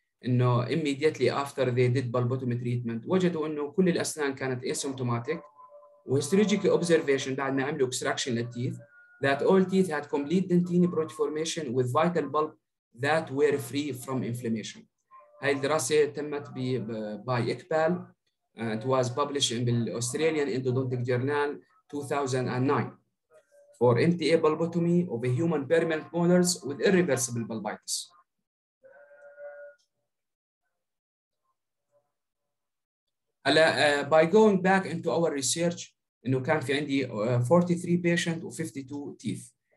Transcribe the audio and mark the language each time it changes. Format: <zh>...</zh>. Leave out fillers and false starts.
<en>انه immediately after they did bulbotomy treatment</en> <ar>وجدوا انه كل الاسنان كانت</ar> <en>asymptomatic وhistologic observation</en> <ar>بعد ما عملوا</ar> <en>extraction للteeth that all teeth had complete dentine protoformation with vital bulb that were free from inflammation.</en> <ar>هاي الدراسة تمت by Iqbal.</ar> <en>It was published in the Australian Endodontic Journal 2009 for MTA bulbotomy of a human permanent molars with irreversible bulbitis. By going back into our research,</en> <ar>إنه كان في عندي</ar> <en>43 patient و 52 teeth.</en>